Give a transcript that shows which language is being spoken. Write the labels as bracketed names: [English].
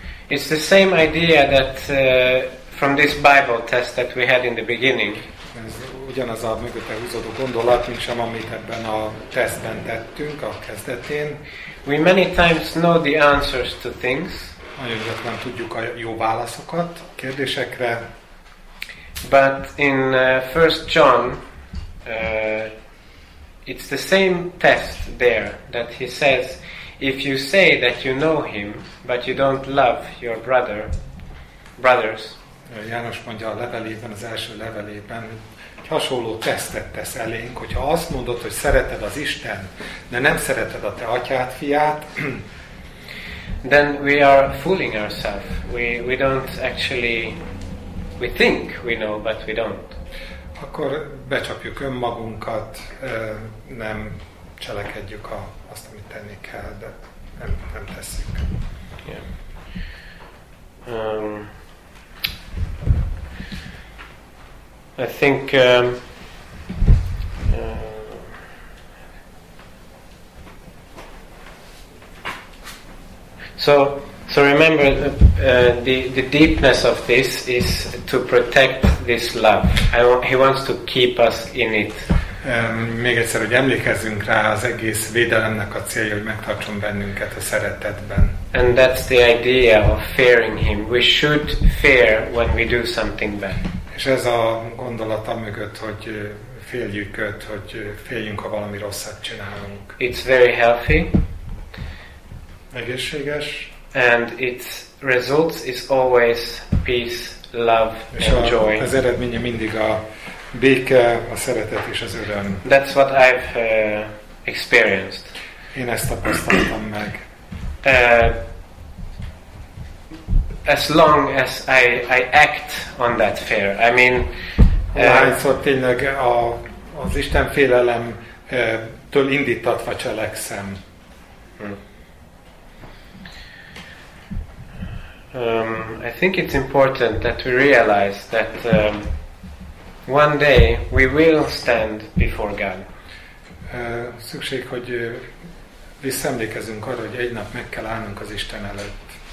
[English] It's the same idea that from this Bible test that we had in the beginning. [Hungarian] Ez ugyanaz a mögötte húzódó gondolat, mint sem amit ebben a tesztben tettünk a kezdetén. [English] We many times know the answers to things. [Hungarian] Nagyon gyakran tudjuk a jó válaszokat a kérdésekre. [English] But in 1 John, it's the same test there that he says, if you say that you know him, but you don't love your brothers. [Hungarian] János mondja a levelében, az első levelében, hogy hasonló tesztet tesz elénk, hogyha azt mondod, hogy szereted az Isten, de nem szereted a te atyád fiát, [English] then we are fooling ourselves. We don't actually, we think we know, but we don't. [Hungarian] Akkor becsapjuk önmagunkat, nem cselekedjük azt, amit tenni kell, de nem tesszük. [English] Yeah. I think So remember the deepness of this is to protect this love. He wants to keep us in it. [Hungarian] Még egyszer, hogy emlékezzünk rá, az egész védelemnek a célja, hogy megtartson bennünket a szeretetben. [English] And that's the idea of fearing him. We should fear when we do something bad. [Hungarian] És ez a gondolat amögött, hogy féljük őt, hogy féljünk, ha valami rosszat csinálunk. [English] It's very healthy. [Hungarian] Egészséges. [English] And its results is always peace, love, [Hungarian] és [English] and joy. [Hungarian] Az eredménye mindig a béke, a szeretet és az öröm. [English] That's what I've experienced. [Hungarian] Én ezt tapasztaltam meg. [English] As long as I act on that fear. I mean, [Hungarian] Szóval tényleg az Isten félelemtől indítatva cselekszem. [English] I think it's important that we realize that one day we will stand before God. [Hungarian] Szükség, hogy visszaemlékezzünk arra, hogy egy nap meg kell állnunk az Isten előtt.